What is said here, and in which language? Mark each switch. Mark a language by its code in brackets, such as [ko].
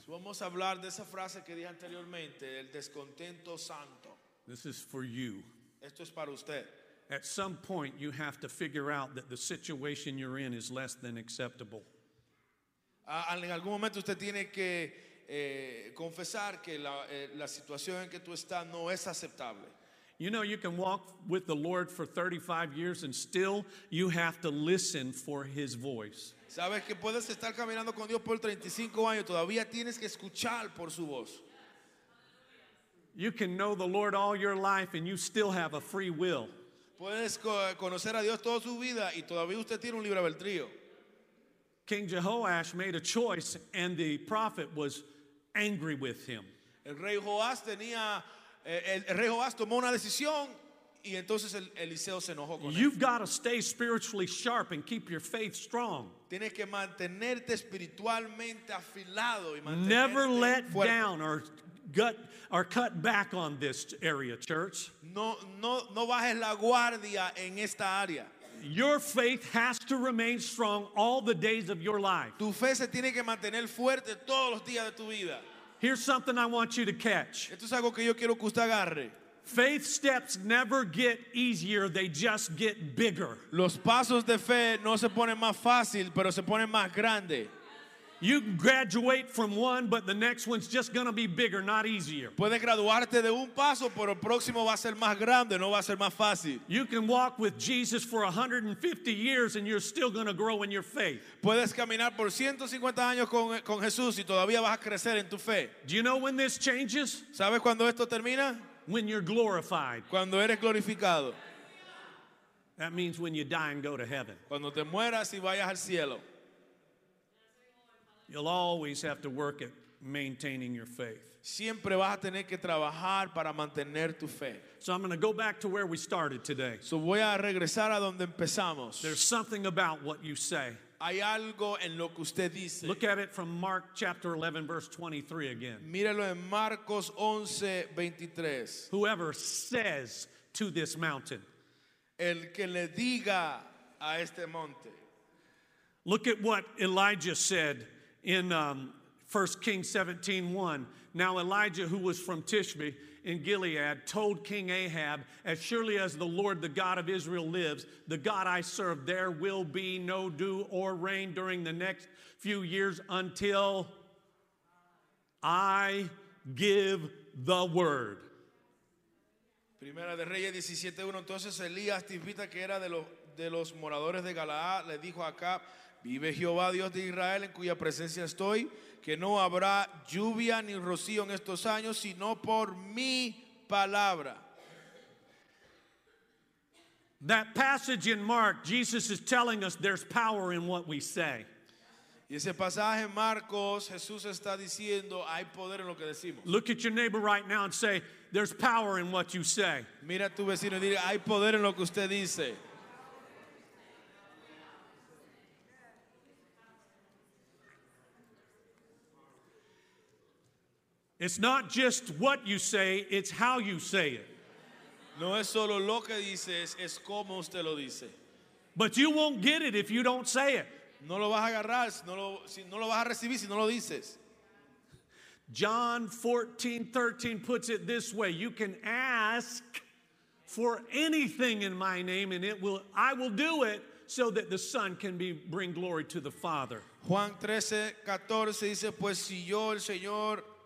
[es] Vamos a hablar de esa frase que dije anteriormente, el descontento santo. [en] This is for you. [es] Esto es para usted. [en] At some point, you have to figure out that the situation you're in is less than acceptable. [es] En algún momento usted tiene que confesar que la situación en que tú estás no es aceptable. [en] You know, you can walk with the Lord for 35 years and still you have to listen for His voice. [es] Sabes que puedes estar caminando con Dios por 35 años, todavía tienes que escuchar por su voz. [en] You can know the Lord all your life and you still have a free will. [es] Puedes conocer a Dios toda su vida y todavía usted tiene un libre albedrío. [en] King Jehoash made a choice and the prophet was angry with him. [es] El rey Joás tomó una decisión y entonces Eliseo se enojó con él. [en] You've got to stay spiritually sharp and keep your faith strong. [es] Tienes que mantenerte espiritualmente afilado y mantenerte. [en] Never let down or cut back on this area, church. [es] No bajes la guardia en esta área. [en] Your faith has to remain strong all the days of your life. [es] Tu fe se tiene que mantener fuerte todos los días de tu vida. [en] Here's something I want you to catch. [es] Esto es algo que yo quiero que usted agarre. [en] Faith steps never get easier, they just get bigger. [es] Los pasos de fe no se ponen más fácil, pero se ponen más grande. [en] You graduate from one, but the next one's just going to be bigger, not easier. [es] Puedes graduarte de un paso, pero el próximo va a ser más grande, no va a ser más fácil. [en] You can walk with Jesus for 150 years, and you're still going to grow in your faith. [es] Puedes caminar por 150 años con Jesús, y todavía vas a crecer en tu fe. [en] Do you know when this changes? [es] ¿Sabes cuando esto termina? [en] When you're glorified. [es] Cuando eres glorificado. [en] That means when you die and go to heaven. [es] Cuando te mueras y vayas al cielo. [en] You'll always have to work at maintaining your faith. [es] Siempre vas a tener que trabajar para mantener tu fe. [en] So I'm going to go back to where we started today. [es] So voy a regresar a donde empezamos. [en] There's something about what you say. [es] Hay algo en lo que usted dice. [en] Look at it from Mark chapter 11 verse 23 again. [es] Míralo en Marcos 11, 23. [en] Whoever says to this mountain. [es] El que le diga a este monte. [en] Look at what Elijah said. In 1 Kings 17:1, now Elijah, who was from Tishbe in Gilead, told King Ahab, as surely as the Lord, the God of Israel, lives, the God I serve, there will be no dew or rain during the next few years until I give the word. [es] Primera de Reyes 17:1, entonces Elías, Tisbita, que era de los moradores de Galaad, le dijo a Acab, vive Jehová Dios de Israel en cuya presencia estoy, que no habrá lluvia ni rocío en estos años, sino por mi palabra. [en] That passage in Mark, Jesus is telling us there's power in what we say. [es] Y ese pasaje en Marcos, Jesús está diciendo, hay poder en lo que decimos. [en] Look at your neighbor right now and say, there's power in what you say. [es] Mira a tu vecino y dile, hay poder en lo que usted dice. [en] It's not just what you say, it's how you say it. [es] No es solo lo que dices, es cómo usted lo dice. [en] But you won't get it if you don't say it. [es] No lo vas a agarrar, no lo vas a recibir si no lo dices. [en] John 14:13 puts it this way, you can ask for anything in my name and I will do it so that the Son can bring glory to the Father. [es] Juan 13:14 dice, pues si yo el Señor...